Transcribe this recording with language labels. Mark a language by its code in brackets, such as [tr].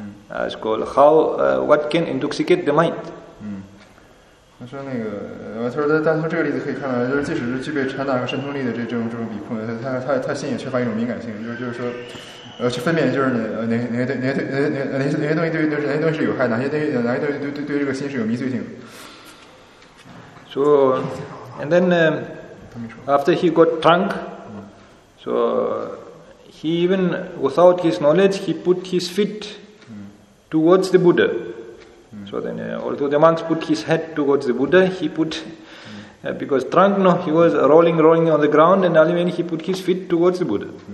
[en] It's called how what can intoxicate the mind. [zh] 他说那个，他说但从这个例子可以看到，就是即使是具备禅达和神通力的这种比丘，他心也缺乏一种敏感性，就是说，去分辨就是哪些东西是有害，哪些东西对这个心是有迷醉性。 [en] So, and then after he got drunk, so he even without his knowledge, he put his feet towards the Buddha. So then, although the monks put his head towards the Buddha, he put, because drunk, no, he was rolling on the ground, and only when he put his feet towards the Buddha.